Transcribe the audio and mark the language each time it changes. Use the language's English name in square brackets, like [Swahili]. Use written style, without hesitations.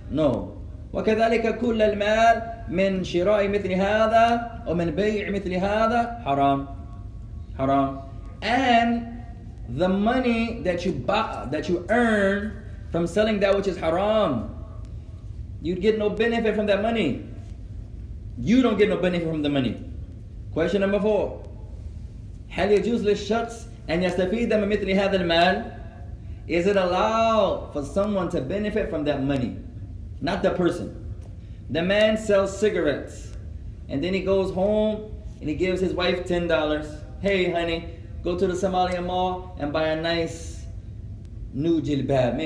[Arabic] No. وَكَذَلِكَ كُلَّ الْمَالِ مِنْ شِرَاءِ مِثْلِ هَذَا وَمِنْ بَيْعِ مِثْلِ هَذَا حَرَامٌ. Haram. [English] And the money that you buy, that you earn from selling that which is haram, you'd get no benefit from that money. You don't get no benefit from the money. Question number 4. [Arabic] هل يجوز للشخص أن يستفيد من مثل هذا المال? [English] Is it allowed for someone to benefit from that money? Not the person. The man sells cigarettes and then he goes home and he gives his wife $10. Hey honey, go to the Somalia mall and buy a nice new jilbab.